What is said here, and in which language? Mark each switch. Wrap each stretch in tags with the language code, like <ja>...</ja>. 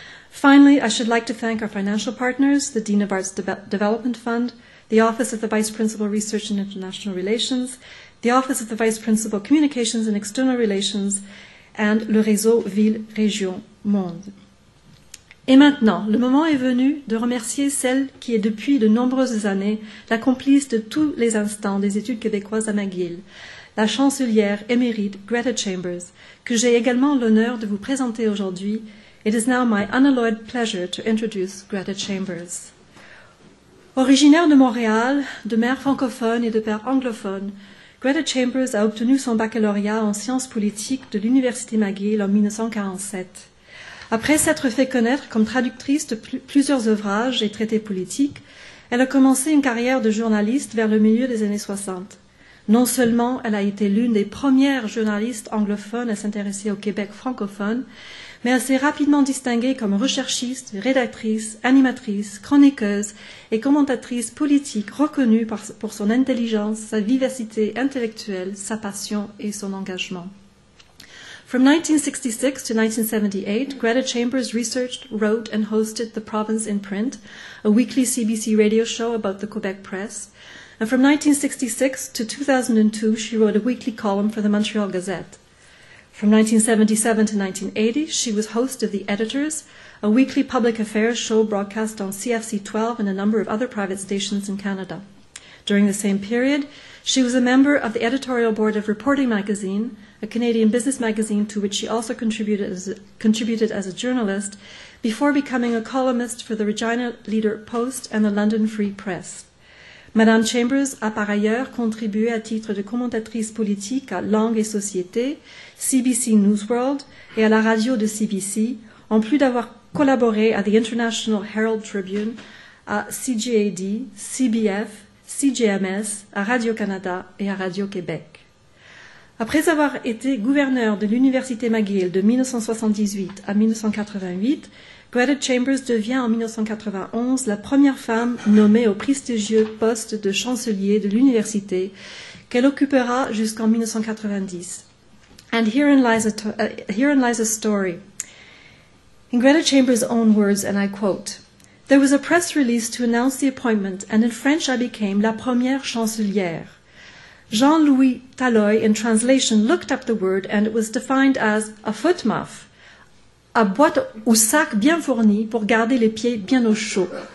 <en>Finally, I should like to thank our financial partners, the Dean of Arts Development Fund, the Office of the Vice Principal Research and International Relations, the Office of the Vice Principal Communications and External Relations, and Le Réseau Ville Région Monde.</en> <fr>Et maintenant, le moment est venu de remercier celle qui est depuis de nombreuses années la complice de tous les instants des études québécoises à McGill, la chancelière émérite Greta Chambers, que j'ai également l'honneur de vous présenter aujourd'hui.</fr> <en>It is now my unalloyed pleasure to introduce Greta Chambers.</en> <fr>Originaire de Montréal, de mère francophone et de père anglophone, Greta Chambers a obtenu son baccalauréat en sciences politiques de l'Université McGill en 1947. Après s'être fait connaître comme traductrice de plusieurs ouvrages et traités politiques, elle a commencé une carrière de journaliste vers le milieu des années 60. Non seulement elle a été l'une des premières journalistes anglophones à s'intéresser au Québec francophone, mais elle s'est rapidement distinguée comme recherchiste, rédactrice, animatrice, chroniqueuse et commentatrice politique reconnue pour son intelligence, sa vivacité intellectuelle, sa passion et son engagement.</fr> <en>From 1966 to 1978, Greta Chambers researched, wrote, and hosted The Province in Print, a weekly CBC radio show about the Quebec press. And from 1966 to 2002, she wrote a weekly column for the Montreal Gazette. From 1977 to 1980, she was host of The Editors, a weekly public affairs show broadcast on CFC 12 and a number of other private stations in Canada. During the same period, she was a member of the editorial board of Reporting Magazine, a Canadian business magazine to which she also contributed as a journalist, before becoming a columnist for the Regina Leader Post and the London Free Press.</en> <fr>Madame Chambers a par ailleurs contribué à titre de commentatrice politique à Langue et Société, CBC Newsworld et à la radio de CBC, en plus d'avoir collaboré à The International Herald Tribune, à CJAD, CBF, CGMS, à Radio-Canada et à Radio-Québec. Après avoir été gouverneur de l'Université McGill de 1978 à 1988, Greta Chambers devient en 1991 la première femme nommée au prestigieux poste de chancelier de l'Université qu'elle occupera jusqu'en 1990.</fr> <en>And herein lies a story. In Greta Chambers' own words, and I quote, "There was a press release to announce the appointment, and in French I became</en> <fr>la première chancelière.</fr> <en>Jean-Louis Talloy, in translation, looked up the word and it was defined as a foot muff, a</en> <fr>boîte ou sac bien fourni pour garder les pieds bien au chaud.</fr>